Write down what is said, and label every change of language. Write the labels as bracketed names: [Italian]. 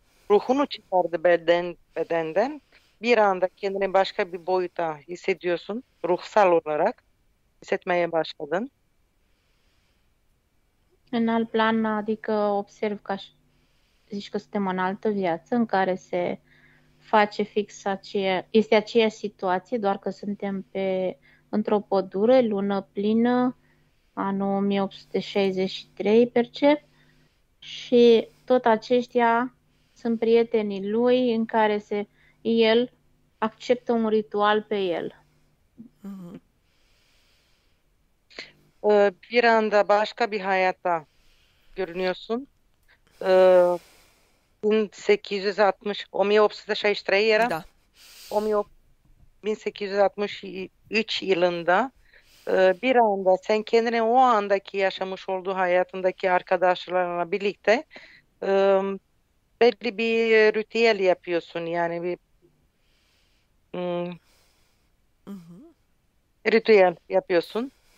[Turkish] Ruhunu çıkardı bedenden. Bir anda kendini başka bir boyuta hissediyorsun, ruhsal olarak hissetmeye başladın. [Romanian] În alt plan, adică observ ca și zici că suntem în altă viață în care se face fix aceea, este aceeași situație, doar că suntem pe într-o pădure, lună plină, anul 1863, percep, și tot aceștia sunt prietenii lui în care el acceptă un ritual pe el. [Turkish] Bir anda başka bir hayata görünüyorsun. [Romanian] 1860, 1863 era. Da. [Turkish] 1863 yılında bir anda sen kendini o andaki yaşamış olduğu hayatındaki arkadaşlarına birlikte belli bir ritüel yapıyorsun, yani bir ritüel yapıyorsun.